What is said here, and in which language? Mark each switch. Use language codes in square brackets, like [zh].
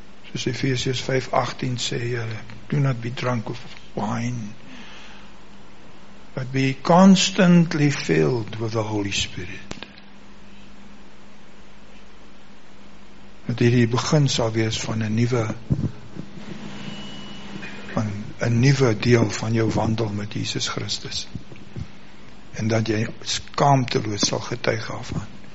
[af] Soos Efesiërs 5:18 sê, [en] Here, do not be drunk of wine, but be constantly filled with the Holy Spirit. [af] Dat hierdie begin sal wees van een nieuwe deel van jou wandel met Jesus Christus. En dat jy skaamteloos sal getuig af aan.